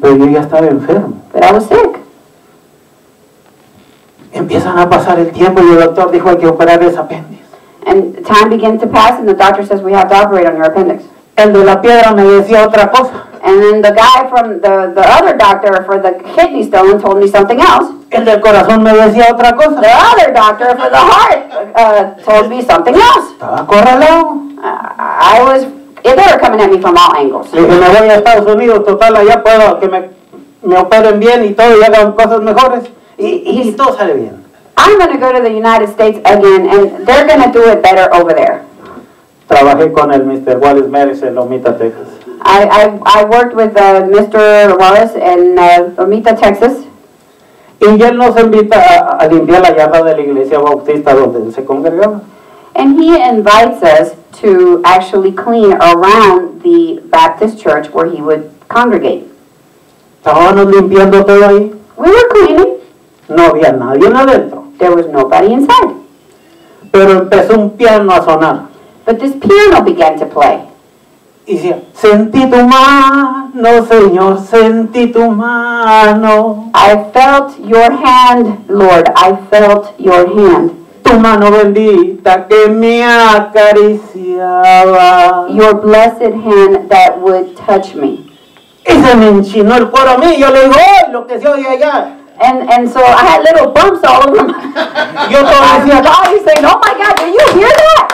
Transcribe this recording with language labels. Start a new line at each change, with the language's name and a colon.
Spanish: Pero yo ya estaba enfermo.
English: But I was sick.
Spanish: Empiezan a pasar el tiempo y el doctor dijo, hay que operar ese apéndice.
English: And time begins to pass, and the doctor says, we have to operate on your appendix.
Spanish: El de la piedra me decía otra cosa.
English: And then the guy from the other doctor for the kidney stone told me something else.
Spanish: El del corazón me decía otra cosa.
English: The other doctor for the heart told me something else.
Spanish: Estaba acorralado.
English: I was, they were coming at me from all angles.
Spanish: Y me voy a Estados Unidos, total, allá puedo que me operen bien y todo, y hagan cosas mejores, y todo sale bien.
English: I'm going to go to the United States again, and they're going to do it better over there.
Spanish: Trabajé con el Mr. Wallace Meres en Lomita, Texas.
English: I worked with Mr. Wallace in Lomita, Texas.
Spanish: Y él nos invita a limpiar la yarda de la iglesia bautista donde él se congregaba.
English: And he invites us to actually clean around the Baptist church where he would congregate.
Spanish: Estábamos limpiando todo ahí.
English: We were cleaning.
Spanish: No había nadie adentro.
English: There was nobody inside.
Spanish: Pero empezó un piano a sonar.
English: But this piano began to play.
Spanish: Y decía, sentí tu mano, Señor, sentí tu mano.
English: I felt your hand, Lord, I felt your hand.
Spanish: Tu mano bendita que me acariciaba.
English: Your blessed hand that would touch me.
Spanish: Y se me enchinó el cuero a mí, yo le digo, lo que se oye allá.
English: And so I had little bumps all over my
Spanish: yo todo decía,
English: body saying, oh my God, did you hear that?